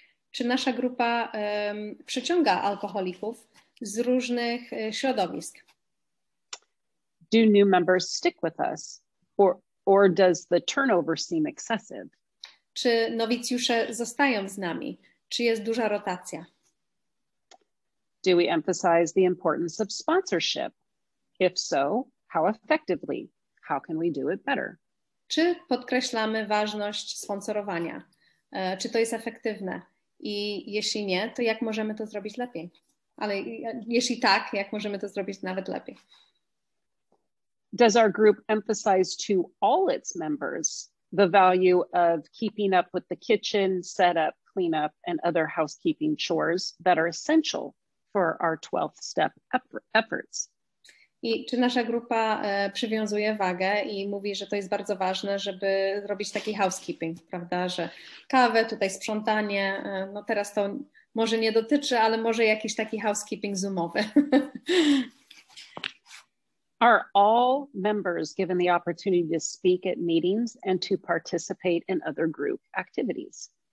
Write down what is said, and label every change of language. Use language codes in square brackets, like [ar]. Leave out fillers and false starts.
[pl] Czy nasza grupa przyciąga alkoholików z różnych środowisk? [en] Do new members stick with us, or does the turnover seem excessive? [pl] Czy nowicjusze zostają z nami? Czy jest duża rotacja? [en] Do we emphasize the importance of sponsorship? If so, how effectively? How can we do it better? [pl] Czy podkreślamy ważność sponsorowania? Czy to jest efektywne? I jeśli nie, to jak możemy to zrobić lepiej? Ale jeśli tak, jak możemy to zrobić nawet lepiej? [en] Does our group emphasize to all its members the value of keeping up with the kitchen setup, cleanup and other housekeeping chores that are essential for our 12th step efforts? [pl] I czy nasza grupa przywiązuje wagę i mówi, że to jest bardzo ważne, żeby robić taki housekeeping, prawda, że kawę, tutaj sprzątanie, no teraz to może nie dotyczy, ale może jakiś taki housekeeping zoomowy. [en] Are all members given the opportunity to speak at meetings and to participate in other group activities?